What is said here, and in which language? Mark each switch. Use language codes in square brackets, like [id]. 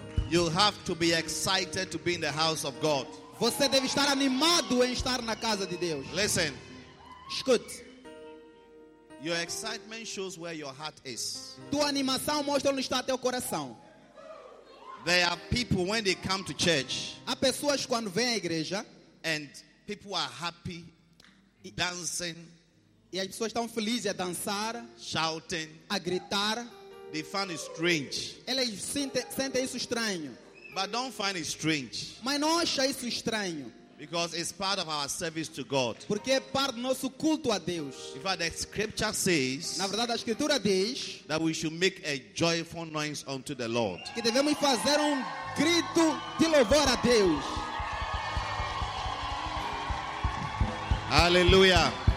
[en] You have to be excited to be in the house of God. [pt] Você deve estar animado em estar na casa de Deus. [en] Listen. [pt] Escute. [en] Your excitement shows where your heart is. [pt] Tua animação mostra onde está teu coração. [en] There are people when they come to church. [pt] Há pessoas quando vêm à igreja. [en] And people are happy, dancing. [pt] E as pessoas estão felizes a dançar. [en] Shouting. [pt] A gritar. [en] They find it strange. [pt] Elas sentem isso estranho. [en] But don't find it strange. [pt] Mas não acha isso estranho. [en] Because it's part of our service to God. [pt] Porque é parte do nosso culto a Deus. [en] In fact, the scripture says, [pt] na verdade, a escritura diz, [en] that we should make a joyful noise unto the Lord. [pt] Que devemos fazer grito de louvor a Deus. [en] Hallelujah.